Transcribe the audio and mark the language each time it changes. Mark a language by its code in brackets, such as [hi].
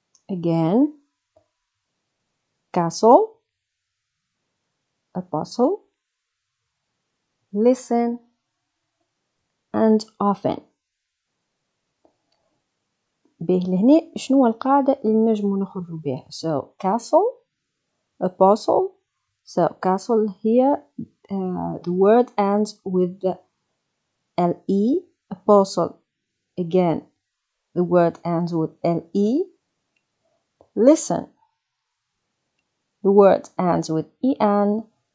[en] Again, castle, apostle, listen, and often. [ar] به لهنا شنو القاعدة اللي نجمو نخرجو بها. [en] So castle, apostle. So castle here, the word ends with the L-E. Apostle, again, the word ends with L-E. Listen, the word ends with E-N.